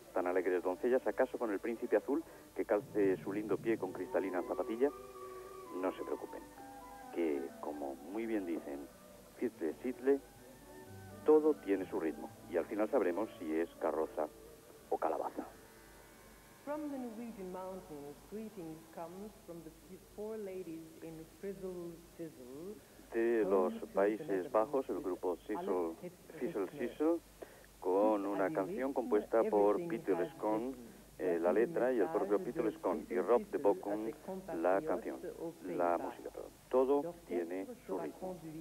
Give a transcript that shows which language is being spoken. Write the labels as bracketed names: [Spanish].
[Spanish] ¿Tan alegres doncellas acaso con el príncipe azul que calce su lindo pie con cristalina zapatilla? No se preocupen, que como muy bien dicen, Fitle Sitle, todo tiene su ritmo y al final sabremos si es carroza o calabaza. [English] From the Norwegian mountains, greetings come from the four ladies in frizzle sizzle. [Spanish] De los Países Bajos, el grupo Sizzle Sizzle, con una canción compuesta por Peter Scone, la letra, y el propio Peter Scone, y Rob de Bocum, la canción, la música. Todo tiene su ritmo.